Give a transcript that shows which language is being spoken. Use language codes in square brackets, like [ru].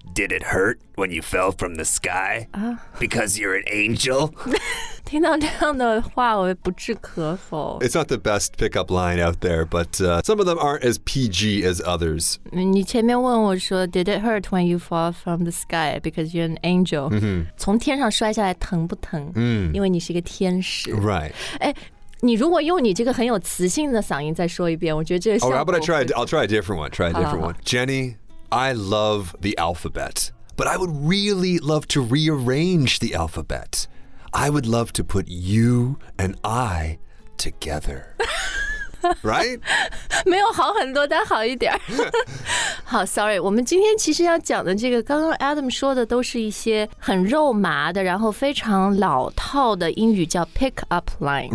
[en] Did it hurt when you fell from the sky? Because you're an angel? [zh] 听到这样的话我不置可否。 [en] It's not the best pickup line out there, but some of them aren't as PG as others. [zh] 你前面问我说 [en] Did it hurt when you fall from the sky? Because you're an angel.、 Mm-hmm. [zh] 从天上摔下来疼不疼、 mm. 因为你是一个天使。 [en] Right. [zh] 你如果用你这个很有磁性的嗓音再说一遍我觉得这个效果不错。 [en] Okay, I'll try a different one. Try a different one. Jenny,I love the alphabet, but I would really love to rearrange the alphabet. I would love to put you and I together. Right? [zh] 没有好很多，但好一点。好 ，Sorry， 我们今天其实要讲的这个，刚刚 Adam 说的都是一些很肉麻的，然后非常老套的英语叫 pick up lines，